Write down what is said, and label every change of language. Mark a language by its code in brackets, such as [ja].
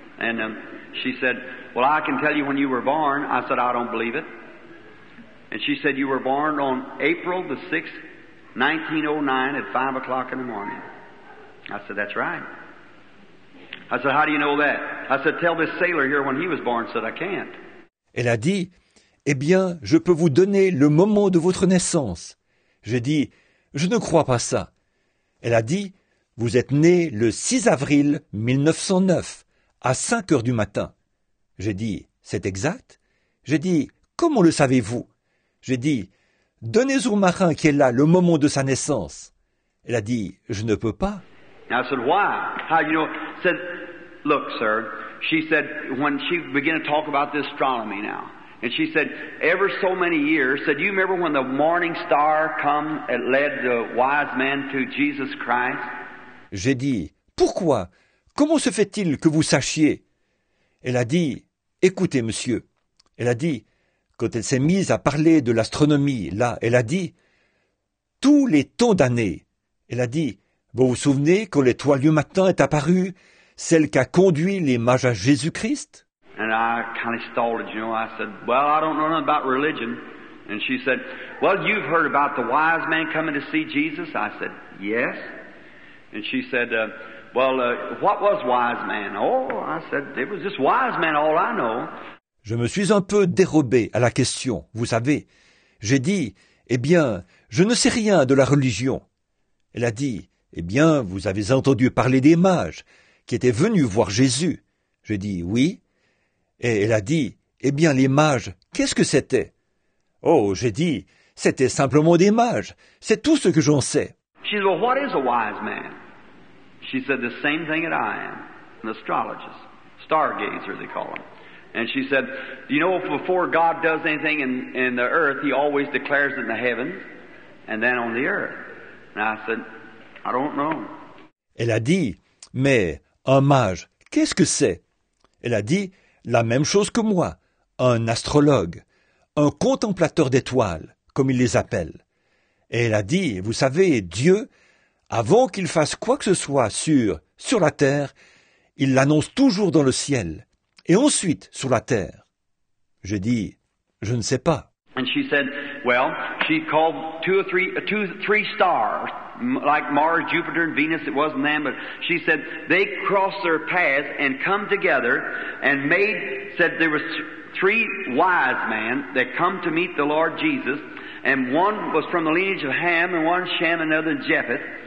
[en] And she said, well, I can tell you when you were born. I said, I don't believe it. And she said, you were born on April the 6th, 1909 at 5 o'clock in the morning. I said, that's right. I said, how do you know that? I said, tell this sailor here when he was born. I said, I can't. [fr] Elle a dit, eh bien, je peux vous donner le moment de votre naissance. J'ai dit, je ne crois pas ça. Elle a dit, vous êtes né le 6 avril 1909 à 5 heures du matin. J'ai dit, c'est exact? J'ai dit, comment le savez-vous? J'ai dit, donnez au marin qui est là le moment de sa naissance. Elle a dit, je ne peux pas. [en] I said, why? How do you know? Said, look, sir. She said, when she began to talk about the astronomy now, and she said, ever so many years, said, you remember when the morning star come and led the wise man to Jesus Christ? [fr] J'ai dit, pourquoi? Comment se fait-il que vous sachiez? Elle a dit, écoutez, monsieur. Elle a dit, quand elle s'est mise à parler de l'astronomie, là, elle a dit, tous les temps d'années, elle a dit, vous vous souvenez quand l'étoile du matin est apparue, celle qui a conduit les mages à Jésus-Christ? [en] And I kind of stalled, you know, I said, well, I don't know nothing about religion. And she said, well, you've heard about the wise man coming to see Jesus? I said, yes. And she said, well, what was wise man? Oh, I said, it was just wise man, all I know. [fr] Je me suis un peu dérobé à la question, vous savez. J'ai dit, eh bien, je ne sais rien de la religion. Elle a dit, eh bien, vous avez entendu parler des mages qui étaient venus voir Jésus. J'ai dit, oui. Et elle a dit, eh bien, les mages, qu'est-ce que c'était? Oh, j'ai dit, c'était simplement des mages. C'est tout ce que j'en sais. [en] She said, well, what is a wise man? She said the same thing that I am, an astrologist, stargazer, they call him. And she said, do you know before God does anything in the earth, he always declares it in the heavens and then on the earth. And I said, I don't know. [fr] Elle a dit, mais un mage, qu'est-ce que c'est? Elle a dit, la même chose que moi, un astrologue, un contemplateur d'étoiles, comme il les appelle. Et elle a dit, vous savez, Dieu, avant qu'il fasse quoi que ce soit sur la terre, il l'annonce toujours dans le ciel, et ensuite sur la terre. J'ai dit, je ne sais pas. [en] And she said, well, she called two or three stars, like Mars, Jupiter, and Venus, it wasn't them, but she said, they crossed their paths and come together and made, said there was three wise men that come to meet the Lord Jesus, and one was from the lineage of Ham, and one Shem, and another Japheth.